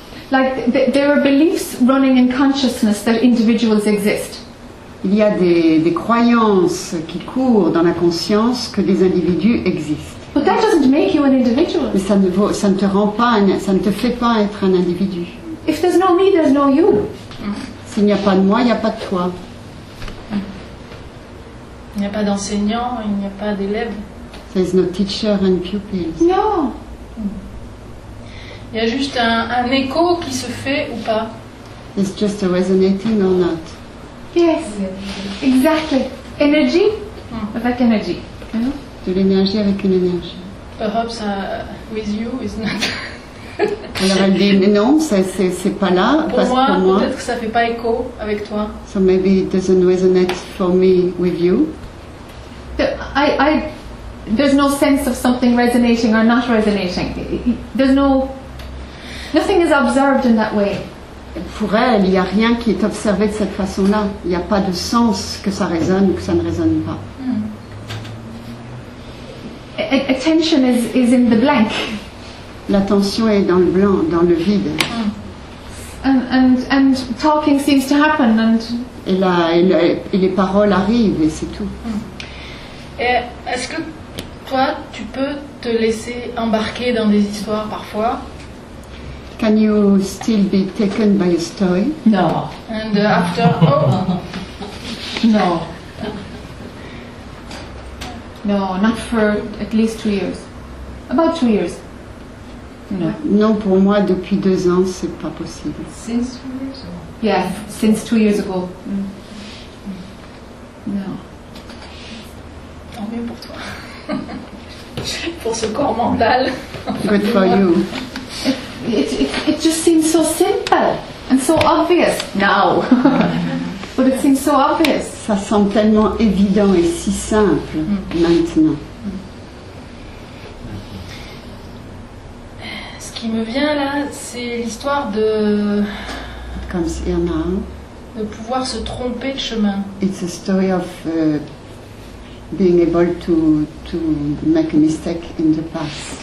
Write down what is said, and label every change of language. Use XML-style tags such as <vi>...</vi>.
<en>Like there are beliefs running in consciousness that individuals exist.</en> <fr>Il y a des croyances qui courent dans la conscience que des individus existent.</fr> <en>But that doesn't make you an individual.</en> <fr>Mais ça ne te fait pas être un individu.</fr> <en>If there's no me, there's no you.</en> <fr>S'il n'y a pas de moi, il n'y a pas de toi. Il n'y a pas d'enseignant, il n'y a pas d'élève.</fr> <en>There's no teacher and pupils. No.</en> <fr>Il y a juste un écho qui se fait ou pas.</fr> <en>It's just a resonating or not. Yes, exactly. Energy, avec energy. You know?</en> <fr>De l'énergie avec une énergie.</fr> <en>Perhaps with you is not.</en> <fr>Alors elle dit non, c'est pas là. Pour moi, peut-être que ça fait pas écho avec toi.</fr> <en>So maybe it doesn't resonate for me with you. I there's no sense of something resonating or not resonating. There's no nothing is observed in that way.</en> <fr>Pour elle, il y a rien qui est observé de cette façon-là. Il y a pas de sens que ça résonne ou que ça ne résonne pas.</fr> <en>Attention is in the blank.</en> <fr>L'attention est dans le blanc, dans le vide.</fr> <en>And talking seems to happen. And</en> <fr>et les paroles arrivent et c'est tout. Et est-ce que toi, tu peux te laisser embarquer dans des histoires parfois?</fr> <en>Can you still be taken by a story? No. And after? Oh. No. No, not for at least 2 years. About 2 years. No.</en> <fr>Non, pour moi, depuis 2 ans, c'est pas possible.</fr> <en>Since 2 years ago? Yeah, since 2 years ago. No.</en> <fr>Tant mieux pour toi. Pour ce corps mental.</fr> <en>Good for you. It just seems so simple and so obvious now. But it seems so obvious.</en> <fr>Ça semble tellement évident et si simple maintenant. Ce qui me vient là, c'est l'histoire de.</fr> <en>It comes here now.</en> <fr>De pouvoir se tromper de chemin.</fr> <en>It's a story of being able to make a mistake in the past.</en>